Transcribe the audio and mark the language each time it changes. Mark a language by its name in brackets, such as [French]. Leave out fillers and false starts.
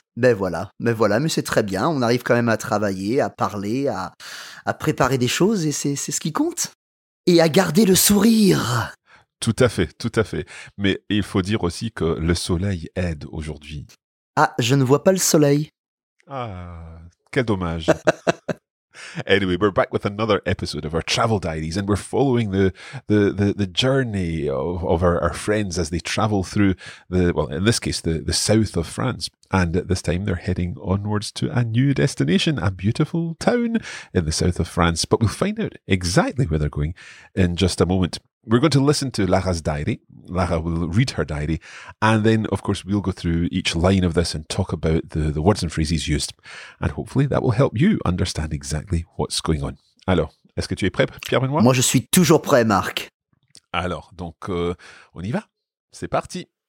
[French] Ben voilà, mais c'est très bien. On arrive quand même à travailler, à parler, à préparer des choses et c'est ce qui compte. Et à garder le sourire. Tout à fait, tout à fait. Mais il faut dire aussi que le soleil aide aujourd'hui. Ah, je ne vois pas le soleil. Ah, quel dommage. [English] Anyway, we're back with another episode of our travel diaries, and we're following the journey of our friends as they travel through the south of France. And this time they're heading onwards to a new destination, a beautiful town in the south of France. But we'll find out exactly where they're going in just a moment. We're going to listen to Lara's diary. Lara will read her diary. And then, of course, we'll go through each line of this and talk about the words and phrases used. And hopefully that will help you understand exactly what's going on. [French] Alors, est-ce que tu es prêt, Pierre-Benoît? Moi, je suis toujours prêt, Marc. Alors, donc, on y va. C'est parti.